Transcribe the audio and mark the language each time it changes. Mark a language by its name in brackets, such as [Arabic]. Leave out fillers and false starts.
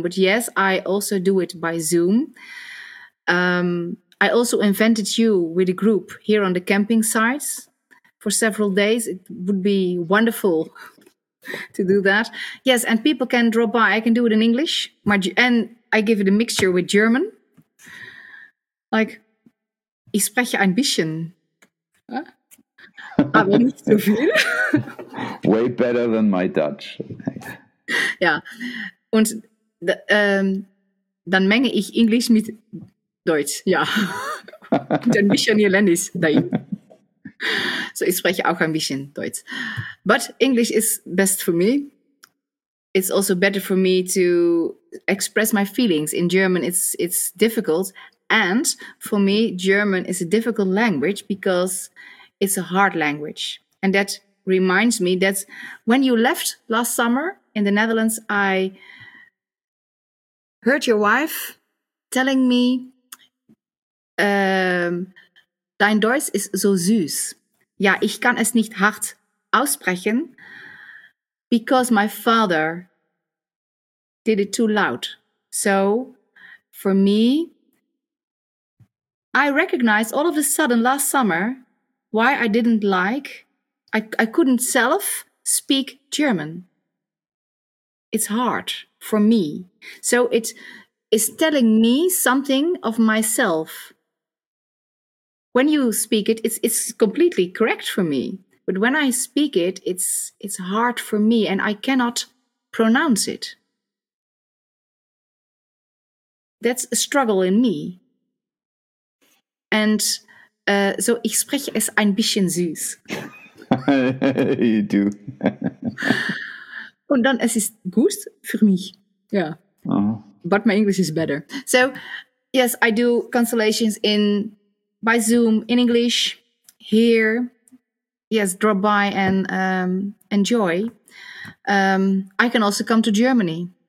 [English] But yes, I also do it by Zoom. I also invented you with a group here on the camping sites for several days. It would be wonderful to do that. Yes, and people can drop by. I can do it in English, and I give it a mixture with German. [German] Like, ich spreche ein bisschen. Aber nicht so viel. [English] Way better than my Dutch. [German] Ja, und dann menge ich Englisch mit Deutsch, ja. Ein bisschen Niederländisch, nein. So, ich spreche auch ein bisschen Deutsch. [English] But English is best for me. It's also better for me to express my feelings. In German, it's difficult. And for me, German is a difficult language because it's a hard language. And that reminds me that when you left last summer in the Netherlands, I heard your wife telling me, [German] dein Deutsch ist so süß. Ja, ich kann es nicht hart aussprechen, [English] because my father did it too loud. So, for me, I recognized all of a sudden last summer why I didn't like, I couldn't self speak German. It's hard for me. So it is telling me something of myself. when you speak it, it's completely correct for me. But when I speak it, it's hard for me and I cannot pronounce it. That's a struggle in me. And so [German] ich spreche es ein bisschen süß. [English] You do. [German] Und dann es ist gut für mich. [English] Yeah. Uh-huh. But my English is better. So yes, I do constellations in by Zoom in English here. Yes, drop by and enjoy. I can also come to Germany.